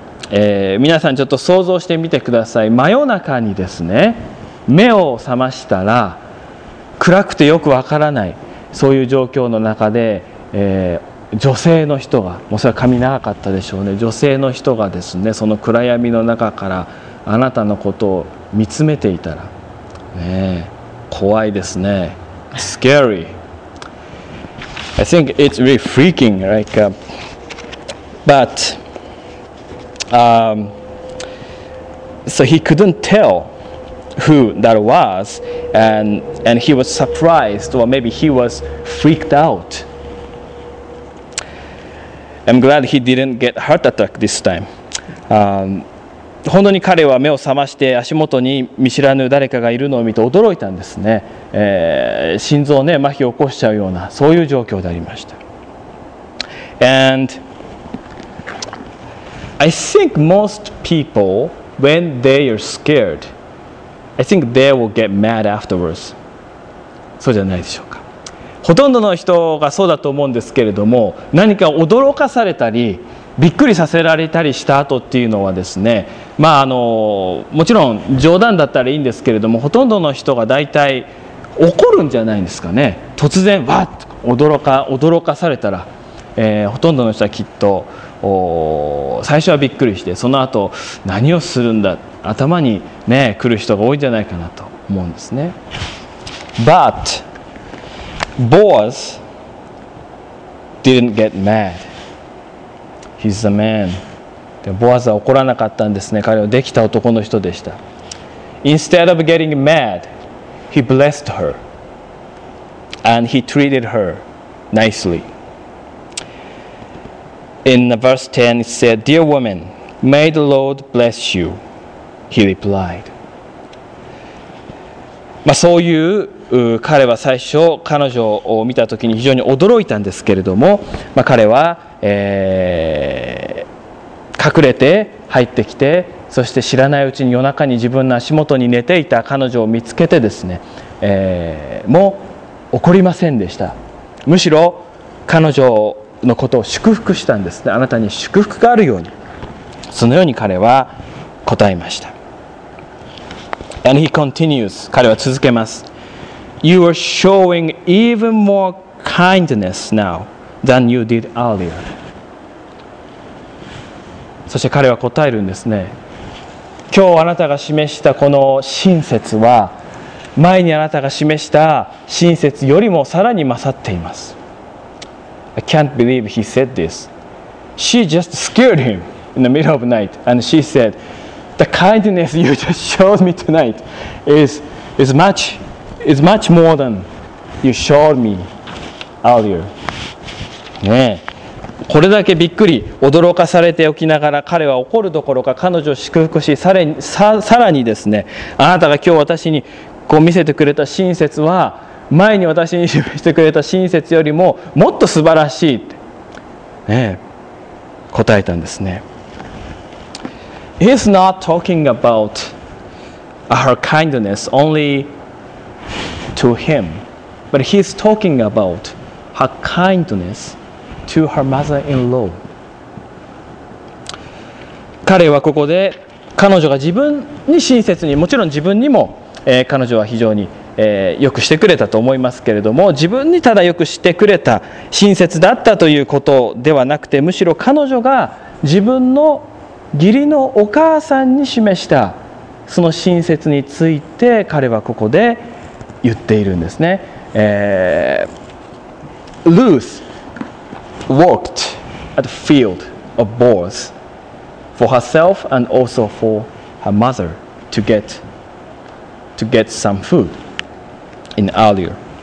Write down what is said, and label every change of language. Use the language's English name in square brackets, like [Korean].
[Japanese] 皆さんちょっと想像してみてください。真夜中にですね、目を覚ましたら暗くてよくわからない、そういう状況の中で、女性の人が、もうそれは髪長かったでしょうね。女性の人がですね、その暗闇の中からあなたのことを見つめていたら、ね、怖いですね。 [English] Scary. I think it's really freaking, like, but, so he couldn't tell who that was, and he was surprised, or maybe he was freaked out. I'm glad he didn't get heart attack this time. [Japanese] 本当に彼は目を覚まして足元に見知らぬ誰かがいるのを見て驚いたんですね。心臓ね麻痺を起こしちゃうようなそういう状況でありました。 [English] And I think most people, when they are scared, I think they will get mad afterwards. [Japanese] そうじゃないでしょうか。ほとんどの人がそうだと思うんですけれども、何か驚かされたり、びっくりさせられたりした後っていうのはですね、まあもちろん冗談だったらいいんですけれども、ほとんどの人が大体怒るんじゃないんですかね。突然わーっと驚かされたら、ほとんどの人はきっと最初はびっくりして、その後何をするんだ、頭にね来る人が多いんじゃないかなと思うんですね。 [English] ButBoaz didn't get mad. He's a man. [Japanese] Boaz は怒らなかったんですね。彼はできた男の人でした。 [English] Instead of getting mad, he blessed her and he treated her nicely. In verse 10, it said, "Dear woman, may the Lord bless you." He replied. [Japanese] まあそういう。彼は最初彼女を見たときに非常に驚いたんですけれども、まあ、彼は、隠れて入ってきて、そして知らないうちに夜中に自分の足元に寝ていた彼女を見つけてですね、もう怒りませんでした。むしろ彼女のことを祝福したんですね。あなたに祝福があるように、そのように彼は答えました。 [English] And he continues. [Japanese] 彼は続けます。 [English] You are showing even more kindness now than you did earlier. [Japanese] そして彼は答えるんですね。今日あなたが示したこの親切は、前にあなたが示した親切よりもさらに勝っています。 [English] I can't believe he said this. She just scared him in the middle of the night, and she said, "The kindness you just showed me tonight is much more than you showed me earlier." [Japanese] ねえ、これだけびっくり驚かされておきながら、彼は怒るどころか彼女を祝福し、さらにですね、あなたが今日私にこう見せてくれた親切は、前に私に示してくれた親切よりももっと素晴らしいって、ねえ、答えたんですね。 [English] He's not talking about her kindness onlyTo him, but he's talking about her kindness to her mother-in-law. [Japanese] 彼はここで彼女が自分に親切に、もちろん自分にも、彼女は非常によくしてくれたと思いますけれども、自分にただよくしてくれた、親切だったということではなくて、むしろ彼女が自分の義理のお母さんに示したその親切について彼はここで言っているんですね。 [English] Ruth walked at the field of boars for herself and also for her mother to get some food in earlier.